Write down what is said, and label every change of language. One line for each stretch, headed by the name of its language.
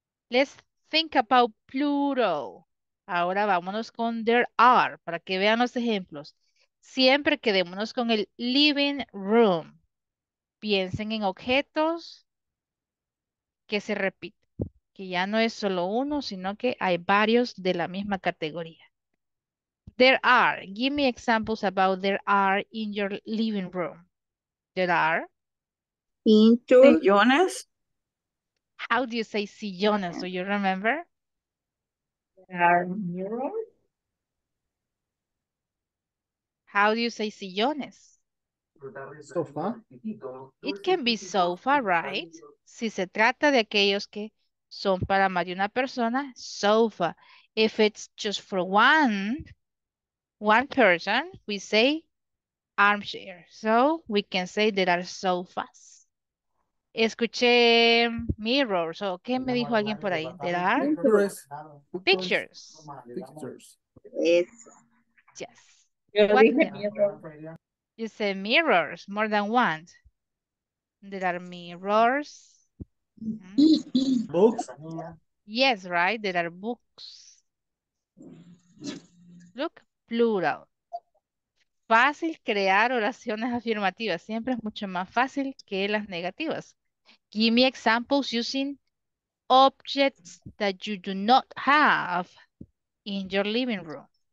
English: Let's think about plural.
Spanish: Ahora vámonos con there are para que vean los ejemplos. Siempre quedémonos con el living room. Piensen en objetos que se repiten, que ya no es solo uno, sino que hay varios de la misma categoría.
English: There are. Give me examples about there are in your living room. There are.
Spanish: Sillones.
English: How do you say sillones? Do you remember? There are mirrors. How do you say sillones? Sofa. It can be sofa, right?
Spanish: Si se trata de aquellos que son para más de una persona, sofa.
English: If it's just for one person, we say armchair. So we can say there are sofas.
Spanish: Escuché
English: mirrors.
Spanish: So, ¿qué me dijo alguien por ahí?
English: There are pictures. Pictures. Yes. What mirror? You say mirrors, more than one. There are mirrors. Books. Yes, right. There are books. Look, plural.
Spanish: Fácil crear oraciones afirmativas. Siempre es mucho más fácil que las negativas.
English: Give me examples using objects that you do not have in your living room.